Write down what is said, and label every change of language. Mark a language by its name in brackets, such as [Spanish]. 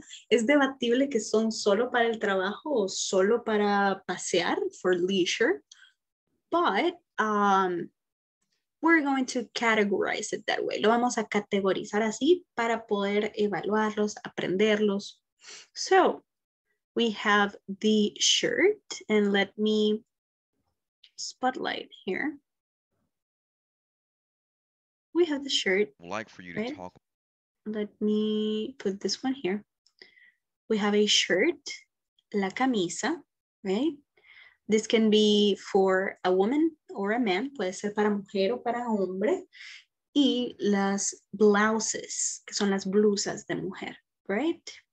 [Spanish] Es debatible que son solo para el trabajo o solo para pasear, [English] for leisure. But we're going to categorize it that way. [Spanish] Lo vamos a categorizar así para poder evaluarlos, aprenderlos. [English] So, we have the shirt, and let me spotlight here. We have the shirt. I'd like for you to right? talk. Let me put this one here. We have a shirt, la camisa, right? This can be for a woman or a man. [Spanish] Puede ser para mujer o para hombre. Y las blouses, que son las blusas de mujer, right?